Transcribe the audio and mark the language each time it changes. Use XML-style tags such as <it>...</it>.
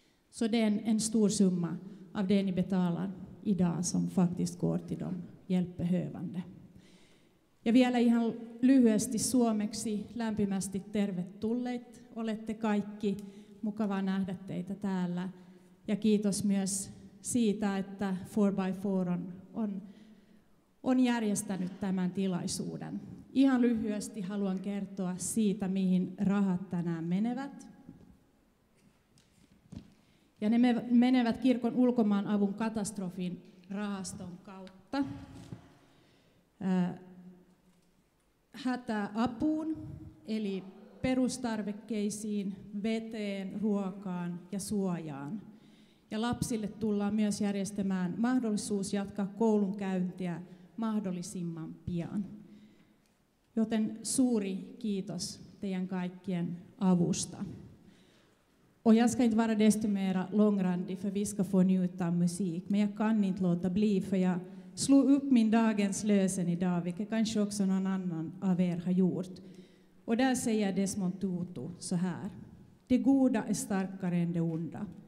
<sv>Så det är en stor summa av det ni betalar idag som faktiskt går till de hjälpbehövande.</sv> <fi>Ja vielä ihan lyhyesti suomeksi, lämpimästi tervetulleet, olette kaikki, mukavaa nähdä teitä täällä. Ja kiitos myös siitä, että 4x4 on järjestänyt tämän tilaisuuden. Ihan lyhyesti haluan kertoa siitä, mihin rahat tänään menevät. Ja ne menevät kirkon ulkomaan avun katastrofin rahaston kautta. Hätäapuun, eli perustarvikkeisiin, veteen, ruokaan ja suojaan. Ja lapsille tullaan myös järjestämään mahdollisuus jatkaa koulunkäyntiä mahdollisimman pian. Joten suuri kiitos teidän kaikkien avusta.</fi> <sv>Och jag ska inte vara desto mera långrandig, för vi ska få njuta av musik. Men jag kan inte låta bli, för jag slog upp min dagens lösen idag, vilket kanske också någon annan av er har gjort. Och där säger Desmond Tutu så här: det goda är starkare än det onda.</sv>